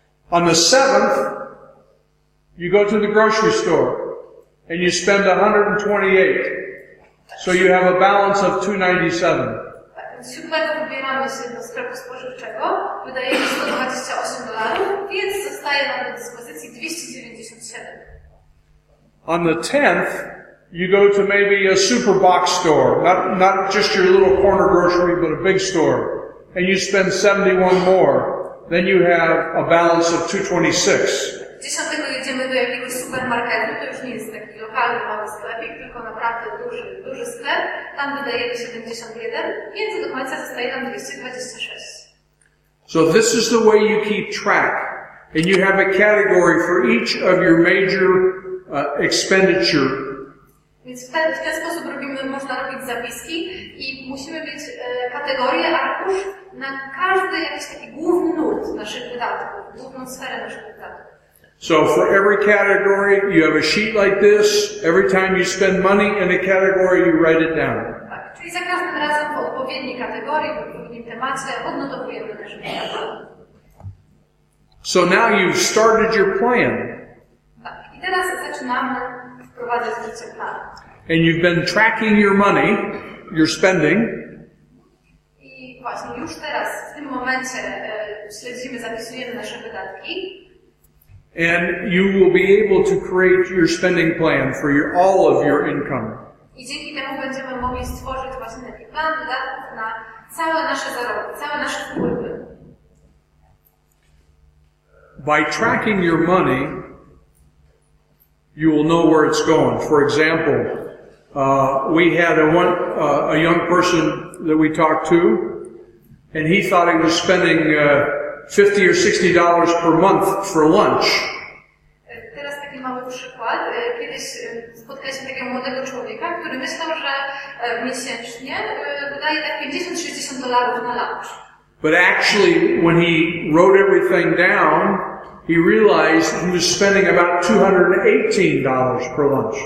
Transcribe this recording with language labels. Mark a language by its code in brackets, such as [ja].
[en] On the 7th, you go to the grocery store and you spend $128. So you have a balance of $297. [pl] Z 7 wybieramy się do sklepu spożywczego, wydajemy $128, więc zostaje nam do dyspozycji $297. [en] On the 10th, you go to maybe a super box store, not just your little corner grocery, but a big store, and you spend $71 more, then you have a balance of $226. [pl] 10 jedziemy do jakiegoś supermarketu, to już nie jest taki lokalny mały sklepik, tylko naprawdę duży sklep. Tam wydajemy 71, więc do końca zostaje nam 226. [en] So this is the way you keep track. And you have a category for each of your major expenditure [pl] Więc w ten sposób robimy, można robić zapiski i musimy mieć kategorię, arkusz na każdy jakiś taki główny nurt naszych wydatków, główną sferę naszych wydatków. [en] So for every category, you have a sheet like this. Every time you spend money in a category, you write it down. [pl] Tak, czyli za każdym razem po odpowiedniej kategorii, w odpowiednim temacie, odnotowujemy nasze wydatki. [en] So now you've started your plan. [pl] Tak, i teraz zaczynamy wprowadzać życie plan. [en] And you've been tracking your money, your spending. [pl] I właśnie już teraz, w tym momencie, śledzimy, zapisujemy nasze wydatki. [en] And you will be able to create your spending plan for your, all of your income. [pl] I dzięki temu będziemy mogli stworzyć właśnie taki plan wydatków na całe nasze zarobki, całe nasze wpływy. [en] By tracking your money, you will know where it's going. For example, we had a young person that we talked to, and he thought he was spending $50 or $60 per month for lunch. [pl] Teraz taki mały przykład. Kiedyś spotkaliśmy takiego młodego człowieka, który myślał, że miesięcznie wydaje tak $50-$60 na lunch. [en] But actually, when he wrote everything down, he realized he was spending about $218 per lunch.